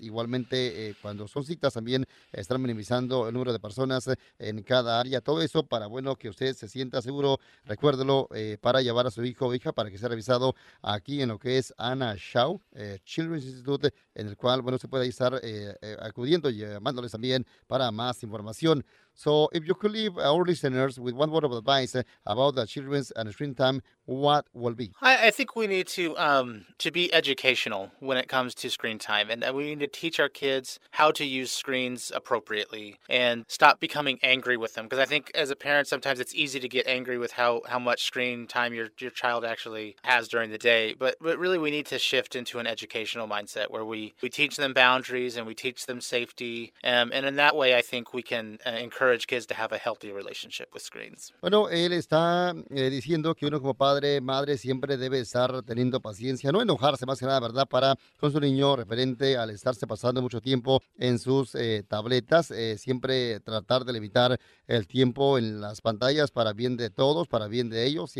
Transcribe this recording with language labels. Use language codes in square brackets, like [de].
[es] Igualmente cuando son citas también están minimizando el número de personas en cada área, todo eso para, bueno, que usted se sienta seguro. Recuérdelo, para llevar a su hijo o hija para que sea revisado aquí en lo que es Ana Chao Children's Institute, en el cual, bueno, se puede estar acudiendo y llamándoles también para más información. [en] So if you could leave our listeners with one word of advice about the children's and screen time, what will be? I think we need to be educational when it comes to screen time, and we need to teach our kids how to use screens appropriately and stop becoming angry with them. Because I think as a parent, sometimes it's easy to get angry with how much screen time your child actually has during the day. But really, we need to shift into an educational mindset where we teach them boundaries and we teach them safety. And in that way, I think we can encourage kids to have a healthy relationship with screens. [es] Bueno, él está diciendo que uno como padre, madre, siempre debe estar teniendo paciencia, no enojarse más que nada, ¿verdad?, para con su niño referente al estarse pasando mucho tiempo en sus tabletas. Siempre tratar de limitar el tiempo en las pantallas para bien de todos, para bien de ellos.